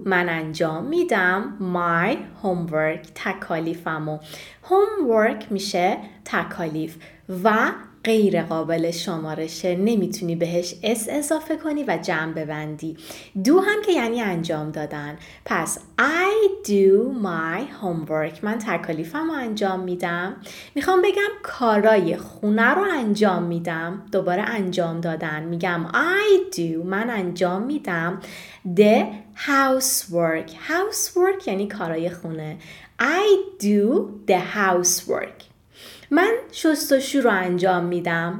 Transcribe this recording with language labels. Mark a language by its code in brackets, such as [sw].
[fa] من انجام میدم [en] my homework. [fa] تکالیفم رو. Homework میشه تکالیف و غیر قابل شمارشه. نمیتونی بهش اس اضافه کنی و جمع ببندی. [en] Do [fa] هم که یعنی انجام دادن. پس [en] I do my homework. [fa] من تکالیفم رو انجام میدم. میخوام بگم کارای خونه رو انجام میدم. دوباره انجام دادن. میگم [en] I do. [fa] من انجام میدم [en] the housework. [fa] Housework یعنی کارای خونه. [en] I do the housework. [fa] من شستشو رو انجام میدم.